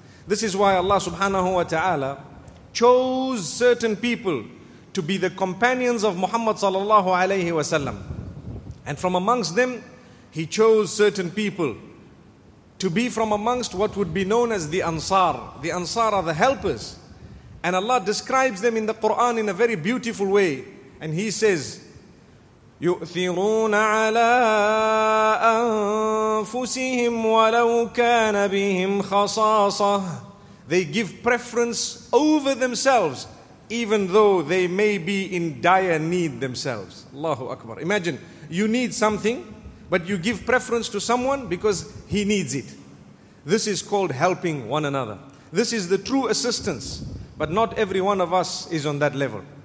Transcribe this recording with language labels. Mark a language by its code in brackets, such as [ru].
[en] This is why Allah subhanahu wa ta'ala chose certain people to be the companions of Muhammad sallallahu alayhi wa sallam. And from amongst them, He chose certain people to be from amongst what would be known as the Ansar. The Ansar are the helpers. And Allah describes them in the Quran in a very beautiful way. And He says, [ar] يُؤْثِرُونَ عَلَىٰ أَنفُسِهِمْ وَلَوْ كَانَ بِهِمْ خَصَاصَةٌ. [en] They give preference over themselves, even though they may be in dire need themselves. Allahu Akbar. Imagine, you need something, but you give preference to someone because he needs it. This is called helping one another. This is the true assistance, but not every one of us is on that level.